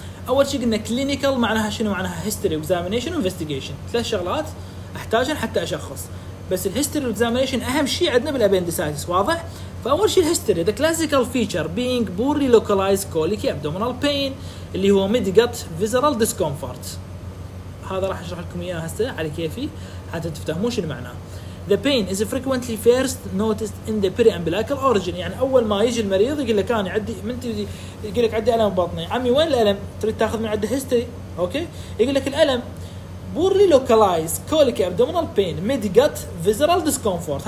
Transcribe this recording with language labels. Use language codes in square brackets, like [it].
[ar] اول شيء قلنا كلينيكال معناها شنو معناها هيستوري اكزامينيشن انفستيجيشن ثلاث شغلات احتاجها حتى اشخص بس الهيستوري اكزامينيشن اهم شيء عندنا بالابندسايتس. واضح فاول شيء الهيستوري ذا كلاسيكال فيتشر بينج بوري لوكالايز كوليكي ابدومينال بين اللي هو ميد جت فيزرال ديسكومفورت هذا راح اشرح لكم اياه هسه على كيفي حتى تفهمون شنو معناه. [en] The pain is frequently first noticed in the pre-umbilical origin. [ar] يعني أول ما يجي المريض يقول لك أنا عدي من تجي يقول لك عدي ألم بطني. عمي وين الألم؟ تريد تأخذ من عنده history؟ أوكي؟ يقول لك الألم [en] poorly localized colic abdominal pain mid gut visceral discomfort.